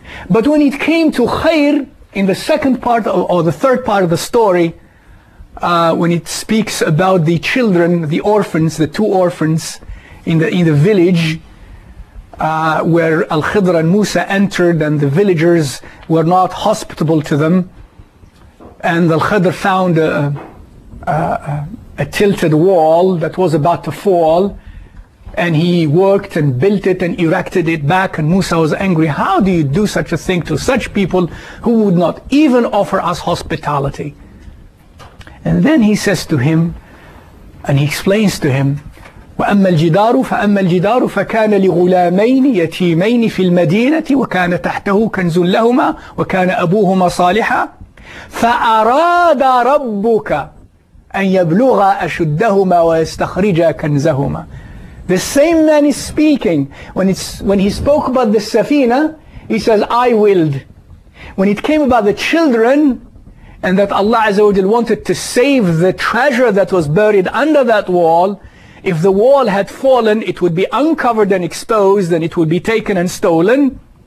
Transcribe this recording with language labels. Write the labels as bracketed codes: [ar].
[en] But when it came to khair, in the second part of, or the third part of the story, when it speaks about the children, the orphans, the two orphans in the village, where Al-Khidr and Musa entered and the villagers were not hospitable to them, and Al-Khidr found a tilted wall that was about to fall, and he worked and built it and erected it back, and Musa was angry. How do you do such a thing to such people who would not even offer us hospitality? And then he says to him, [ar] and he explains to him, وَأَمَّا الْجِدَارُ فَأَمَّا الْجِدَارُ فَكَانَ لِغُلَامَيْنِ يَتِيمَيْنِ فِي الْمَدِينَةِ وَكَانَ تَحْتَهُ كَنْزٌ لَهُمَا وَكَانَ أَبُوهُمَا صَالِحًا فَأَرَادَ رَبُّكَ أَنْ يَبْلُغَ أَشُدَّهُمَا وَيَسْتَخْرِجَ كَنْزَهُمَا. [en] The same man is speaking. When he spoke about the safina, he says, I willed. When it came about the children, and that Allah Azza wa Jalla wanted to save the treasure that was buried under that wall, if the wall had fallen, it would be uncovered and exposed, and it would be taken and stolen.